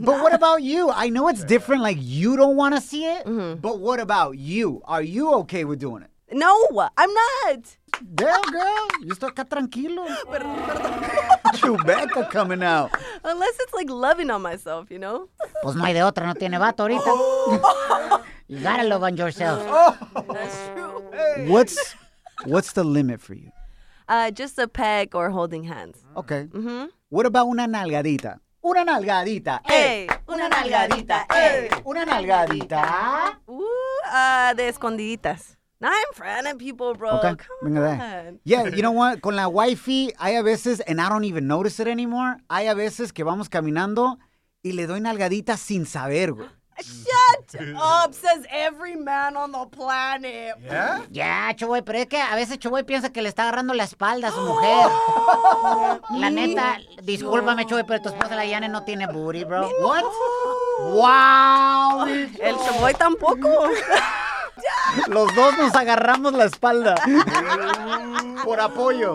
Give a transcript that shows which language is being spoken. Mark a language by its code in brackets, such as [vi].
[en] But what about you? I know it's different, like, you don't want to see it. Mm-hmm. But what about you? Are you okay with doing it? No, I'm not. Damn, girl. You still [es] acá tranquilo. [en] Chewbacca coming out. Unless it's like loving on myself, you know? [es] Pues no hay de otra, no tiene vato ahorita. [en] You gotta love on yourself. That's true. Hey. What's the limit for you? Just a peck or holding hands. Okay. Mm-hmm. What about [es] una nalgadita? Una nalgadita. [en] Hey. [es] Una nalgadita. Hey. Una nalgadita. De escondiditas. [en] Now I'm friend of people, bro. Okay. Come on. That. Yeah, you know what? [es] Con la wifey, hay a veces, [en] and I don't even notice it anymore, [es] hay a veces que vamos caminando y le doy nalgadita sin saber, güey. [en] Shut up, says every man on the planet. Yeah? [es] Yeah, chuboy, pero es que a veces chuboy piensa que le está agarrando la espalda a su mujer. La neta, discúlpame, chuboy, pero tu esposa la Yane no tiene booty, bro. [en] Me what? No. Wow. [es] El chuboy tampoco. Los dos nos agarramos la espalda por apoyo.